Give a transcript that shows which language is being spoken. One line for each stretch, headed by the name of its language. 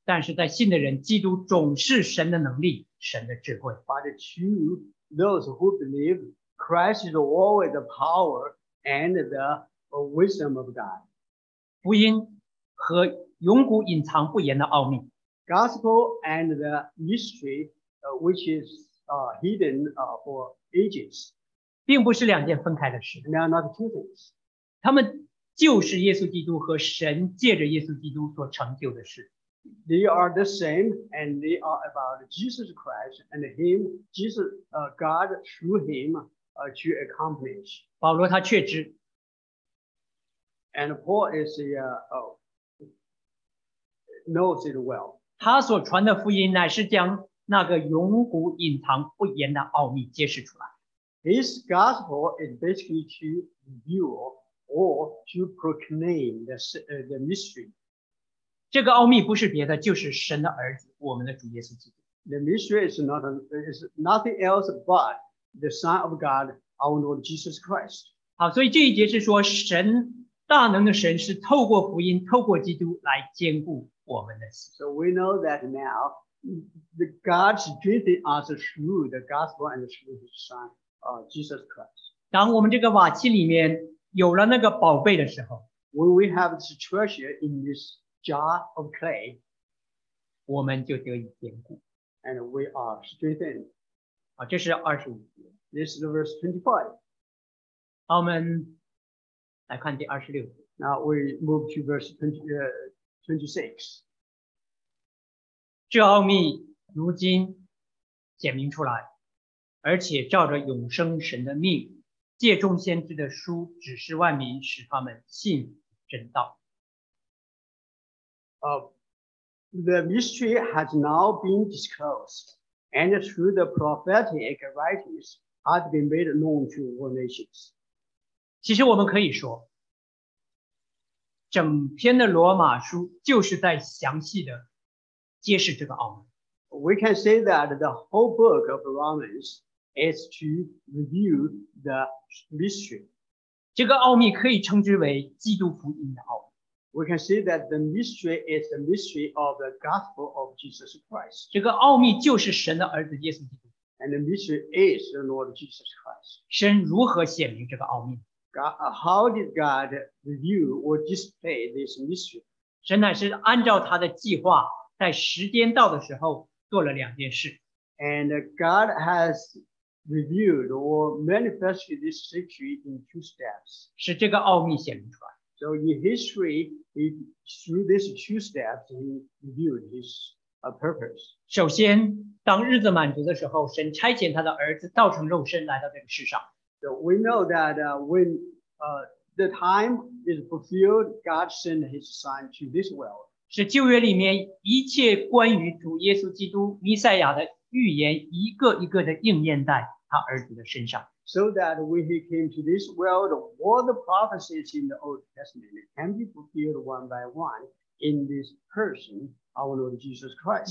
Chinese: 但是在信的人，基督总是神的能力，神的智慧。
English: But to those who believe, Christ is always the power and the wisdom of God.
Chinese: 福音和永古隐藏不言的奥秘。
English: Gospel and the mystery, which is hidden for ages,
Chinese: 并不是两件分开的事。
English: They are not two things.
Chinese: 他们就是耶稣基督和神借着耶稣基督所成就的事。
English: They are the same, and they are about Jesus Christ and Him, Jesus, God through Him, to accomplish.
Chinese: 保罗他确知。
English: And Paul is knows it well.
Chinese: 他所传的福音乃是将那个永古隐藏不言的奥秘揭示出来。
English: His gospel is basically to reveal or to proclaim the mystery.
Chinese: 这个奥秘不是别的，就是神的儿子，我们的主耶稣基督。
English: The mystery is nothing else but the Son of God, our Lord Jesus Christ.
Chinese: 好，所以这一节是说神。大能的神是透过福音，透过基督来坚固我们的心。
English: So we know that now the God strengthens us through the gospel and through His Son, Jesus Christ.
Chinese: 当我们这个瓦器里面有了那个宝贝的时候
English: ，When we have this treasure in this jar of clay,
Chinese: 我们就得以坚固。
English: And we are strengthened.
Chinese: 好，这是二十五节。
English: This is verse 25.
Chinese: 我们。来看第二十六。
English: Now we move to verse 26.
Chinese: 这奥秘如今显明出来，而且照着永生神的命，借众先知的书指示万民，使他们信真道。
English: The mystery has now been disclosed, and through the prophetic writings has been made known to all nations.
Chinese: 其实我们可以说。整篇的罗马书就是在详细的揭示这个奥秘。
English: We can say that the whole book of Romans is to review the mystery.
Chinese: 这个奥秘可以称之为基督福音的奥秘。
English: We can say that the mystery is the mystery of the gospel of Jesus Christ.
Chinese: 这个奥秘就是神的儿子耶稣基督。
English: And the mystery is the Lord Jesus Christ.
Chinese: 神如何显明这个奥秘？
English: How did God review or display this mystery?
Chinese: 神乃是按照他的计划，在时间到的时候做了两件事。
English: And God has reviewed or manifested this mystery in two steps.
Chinese: 使这个奥秘显明出来。
English: So in history, through these two steps, He reviewed His purpose.
Chinese: 首先，当日子满足的时候，神差遣他的儿子道成肉身来到这个世上。
English: So we know that when the time is fulfilled, God sent His Son to this world.
Chinese: 是旧约里面一切关于主耶稣基督弥赛亚的预言，一个一个的应验在他儿子的身上。
English: So that when He came to this world, all the prophecies in the Old Testament can be fulfilled one by one in this person, our Lord Jesus Christ.